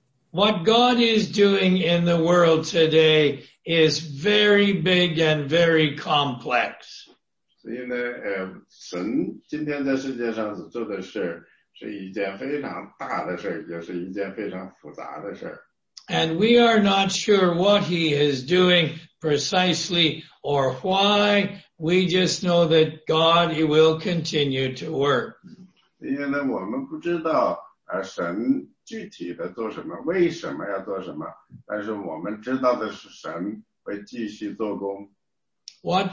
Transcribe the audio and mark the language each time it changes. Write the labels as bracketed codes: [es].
[en] What God is doing in the world today is very big and very complex. [zh] 所以呢，神今天在世界上所做的事。是一件非常大的事，也是一件非常复杂的事。 [en] And we are not sure what he is doing precisely or why. We just know that God will continue to work. [zh] 因为呢，我们不知道神具体的做什么，为什么要做什么，但是我们知道的是神会继续做工。 [en] What